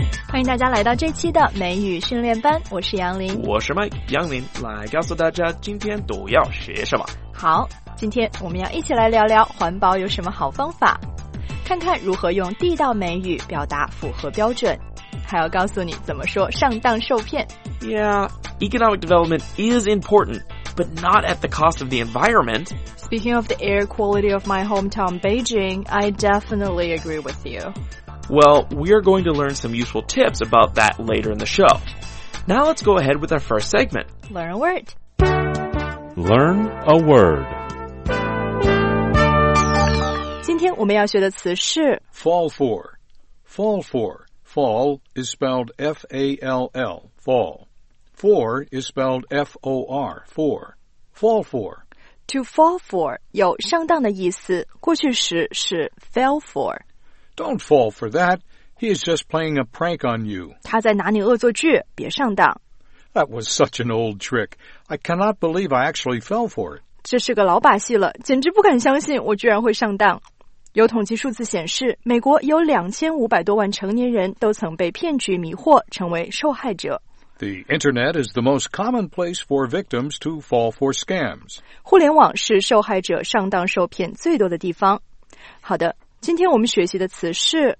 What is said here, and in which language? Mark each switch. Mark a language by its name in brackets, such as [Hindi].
[Chinese] 欢迎大家来到这期的美语训练班，我是杨林。我是麦杨林，来告诉大家今天都要学什么。好，今天我们要一起来聊聊环保有什么好方法，看看如何用地道美语表达符合标准，还要告诉你怎么说上当受骗。 [English] Yeah, economic development is important, but not at the cost of the environment. Speaking of the air quality of my hometown Beijing, I definitely agree with you. Well, we are going to learn some useful tips about that later in the show. Now let's go ahead with our first segment. Learn a word. Learn a word. [Chinese] 今天我们要学的词是 [English] Fall for. Fall for. Fall is spelled F-A-L-L, fall. For is spelled F-O-R, for. Fall for. To fall for [Chinese] 有上当的意思，过去时是 fell for. [English] Don't fall for that. He is just playing a prank on you. [Chinese] 他在拿你恶作剧，别上当。 [English] That was such an old trick. I cannot believe I actually fell for it. [Chinese] 这是个老把戏了，简直不敢相信我居然会上当。有统计数字显示，美国有2500多万成年人都曾被骗局迷惑，成为受害者。 [English] The internet is the most common place for victims to fall for scams. [Chinese] 互联网是受害者上当受骗最多的地方。好的，今天我们学习的词是